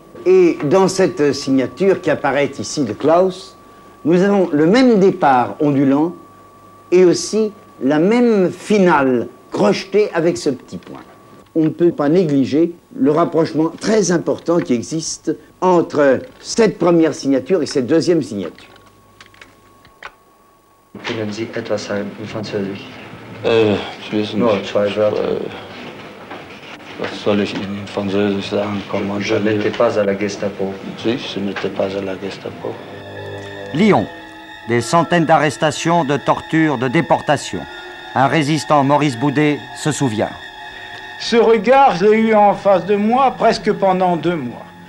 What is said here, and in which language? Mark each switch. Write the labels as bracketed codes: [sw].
[fr] Et dans cette signature qui apparaît ici de Klaus, nous avons le même départ ondulant et aussi la même finale crochetée avec ce petit point. On ne peut pas négliger le rapprochement très important qui existe entre cette première signature et cette deuxième signature. [de] Können Sie etwas sagen in Französisch? Ich weiß nicht. Nur zwei Wörter. Was soll ich in Französisch sagen? [fr] Comment je n'étais pas à la Gestapo. Si, je n'étais pas à la Gestapo. Lyon. Des centaines d'arrestations, de tortures, de déportations. Un résistant, Maurice Boudet, se souvient. Ce regard, je l'ai eu en face de moi presque pendant deux mois.